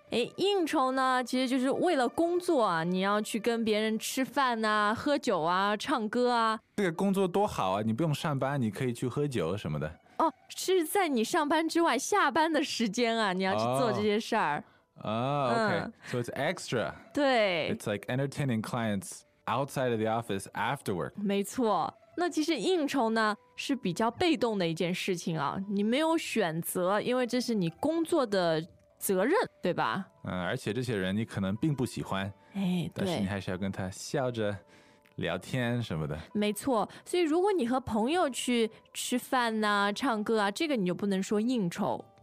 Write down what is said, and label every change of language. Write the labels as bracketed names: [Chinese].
[Chinese] 哎，应酬呢，其实就是为了工作啊，你要去跟别人吃饭啊、喝酒啊、唱歌啊。这个工作多好啊，你不用上班，你可以去喝酒什么的。哦，是在你上班之外下班的时间啊，你要去做这些事儿。 [English] Okay, so it's extra. [Chinese] 对。 [English] It's like entertaining clients outside of the office after work. [Chinese] 没错。那其实应酬呢是比较被动的一件事情啊，你没有选择，因为这是你工作的责任，对吧？嗯，而且这些人你可能并不喜欢，哎，对，但是你还是要跟他笑着聊天什么的。没错，所以如果你和朋友去吃饭啊、唱歌啊，这个你就不能说应酬